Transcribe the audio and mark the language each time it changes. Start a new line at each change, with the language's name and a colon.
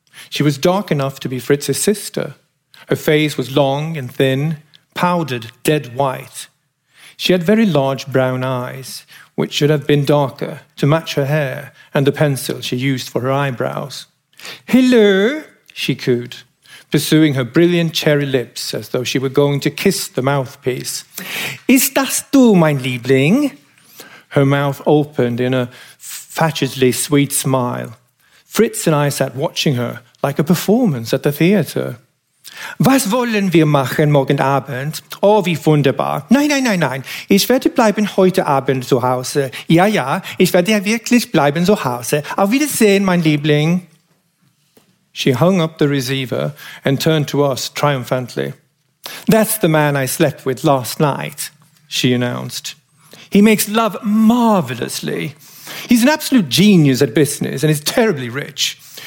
English: She was dark enough to be Fritz's sister. Her face was long and thin, powdered dead white. She had very large brown eyes, which should have been darker to match her hair and the pencil she used for her eyebrows. Hello, she cooed, pursuing her brilliant cherry lips as though she were going to kiss the mouthpiece.
German: Ist das du, mein Liebling?
English: Her mouth opened in a fatuously sweet smile. Fritz and I sat watching her like a performance at the theatre.
German: Was wollen wir machen morgen Abend? Oh, wie wunderbar. Nein, nein, nein, nein. Ich werde bleiben heute Abend zu Hause. Ja, ja, ich werde ja wirklich bleiben zu Hause. Auf Wiedersehen, mein Liebling.
English: She hung up the receiver and turned to us triumphantly. That's the man I slept with last night, she announced. He makes love marvellously. He's an absolute genius at business and is terribly rich.